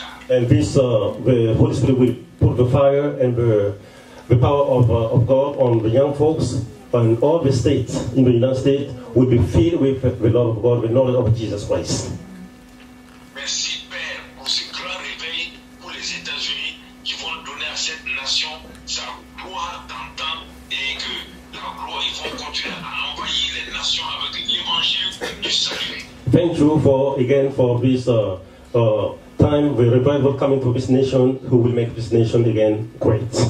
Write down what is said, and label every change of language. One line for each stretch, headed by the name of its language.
English: And this, the Holy Spirit will put the fire and the power of God on the young folks, and all the states in the United States will be filled with the love of God, the knowledge of Jesus Christ.
French: Merci, Père, pour ce grand réveil pour les États-Unis qui vont donner à cette nation sa gloire d'antan et que la gloire, ils vont continuer à envahir les nations avec l'évangile du salut.
English: Thank you for this. Time the revival coming to this nation, who will make this nation again great.